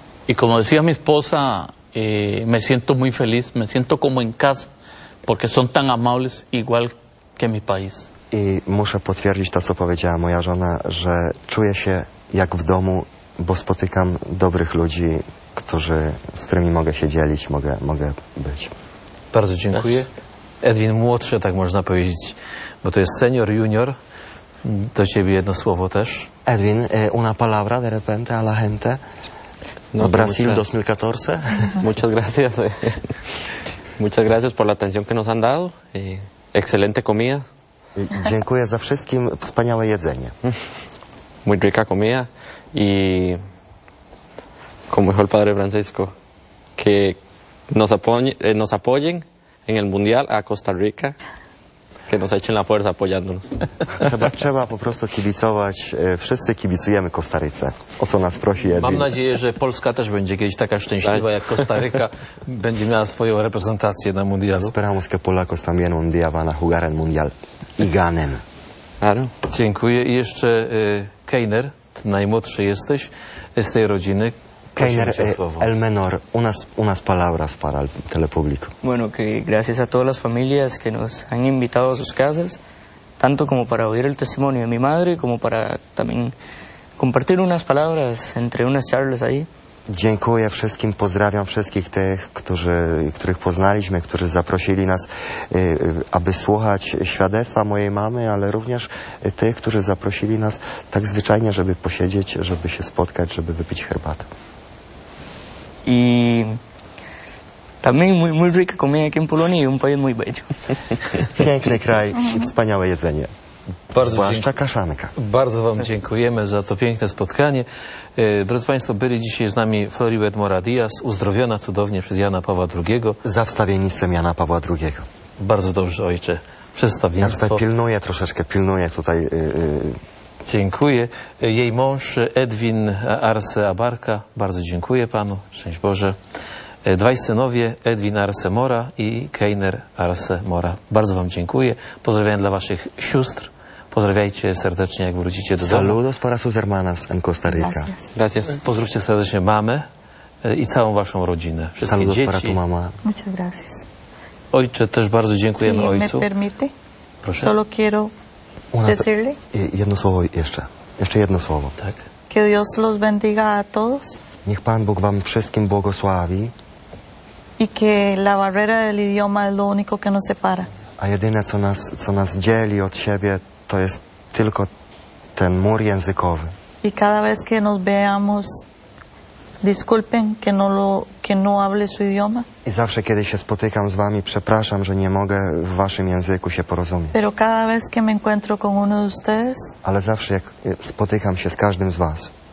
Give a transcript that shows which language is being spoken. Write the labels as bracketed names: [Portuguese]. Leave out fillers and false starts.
[Spanish] Y como decía mi esposa, me siento muy feliz, me siento como en casa, porque son tan amables, igual que mi país. [Polish] I muszę potwierdzić to, co powiedziała moja żona, że czuję się jak w domu, bo spotykam dobrych ludzi, którzy, z którymi mogę się dzielić, mogę być. Bardzo dziękuję. Edwin młodszy, tak można powiedzieć, bo to jest senior, junior. Do ciebie jedno słowo też. [Spanish] Edwin, una palabra de repente a la gente. No, Brasil 2014. Muchas gracias. Muchas gracias por la atención que nos han dado. Excelente comida. [Polish] Dziękuję za wszystkim. Wspaniałe jedzenie. [Spanish] Muy rica comida. Y como dijo el padre Francisco, que nos apoyen en el mundial a Costa Rica. Que nos echen la fuerza apoyándonos. [Polish] Trzeba po prostu kibicować. Wszyscy kibicujemy Kostaryce. O co nas prosi Edwin. Mam nadzieję, że Polska też będzie kiedyś taka szczęśliwa, tak? Jak Kostaryka będzie miała swoją reprezentację na mundialu. [Spanish] Esperamos que Polacos también un día van a jugar en mundial. I ganen. [Polish] Dziękuję. I jeszcze Keiner, najmłodszy jesteś z tej rodziny. [Spanish] Keiner, el menor, unas palabras para el telepúblico. Bueno, que gracias a todas las familias que nos han invitado a sus casas, tanto como para oír el testimonio de mi madre, como para también compartir unas palabras entre unas charlas ahí. [Polish] Dziękuję wszystkim, pozdrawiam wszystkich tych, których poznaliśmy, którzy zaprosili nas, aby słuchać świadectwa mojej mamy, ale również tych, którzy zaprosili nas tak zwyczajnie, żeby posiedzieć, żeby się spotkać, żeby wypić herbatę. [Spanish] I también muy, muy rica comida aquí en Polonia y un país muy bello. [Polish] Piękny kraj i wspaniałe jedzenie. Bardzo zwłaszcza kaszanka. Bardzo wam dziękujemy za to piękne spotkanie. Drodzy państwo, byli dzisiaj z nami Floribet Mora Diaz, uzdrowiona cudownie przez Jana Pawła II. Za wstawiennictwem Jana Pawła II. Bardzo dobrze, ojcze. Wstawiennictwo. Ja tutaj pilnuję tutaj. Dziękuję. Jej mąż Edwin Arce Abarca. Bardzo dziękuję panu. Szczęść Boże. Dwaj synowie, Edwin Arce Mora i Keiner Arce Mora. Bardzo wam dziękuję. Pozdrawiam dla waszych sióstr. Pozdrawiajcie serdecznie, jak wrócicie do domu. [Spanish] Saludos para sus hermanas en Costa Rica. Gracias. [Polish] Pozdrówcie serdecznie mamę i całą waszą rodzinę. Wszystkie [Spanish] saludos [Polish] dzieci. [Spanish] Para tu mama. Muchas gracias. [Polish] Ojcze, też bardzo dziękujemy [Spanish] si [Polish] ojcu. [Spanish] Si me permite. [Polish] Proszę. [Spanish] Solo quiero decirle. [Polish] Jedno słowo jeszcze. Jeszcze jedno słowo. Tak. [Spanish] Que Dios los bendiga a todos. [Polish] Niech Pan Bóg wam wszystkim błogosławi. [Spanish] I que la barrera del idioma es lo único que nos separa. [Polish] A jedyne, co nas dzieli od siebie, to jest tylko ten mur językowy. [Spanish] I cada vez que nos veamos, disculpen que no hable su idioma. [Polish] I zawsze, kiedy się spotykam z wami, przepraszam, że nie mogę w waszym języku się porozumieć. [Spanish] Pero cada vez que me encuentro con uno de ustedes. [Polish] Ale zawsze, jak spotykam się z każdym z was.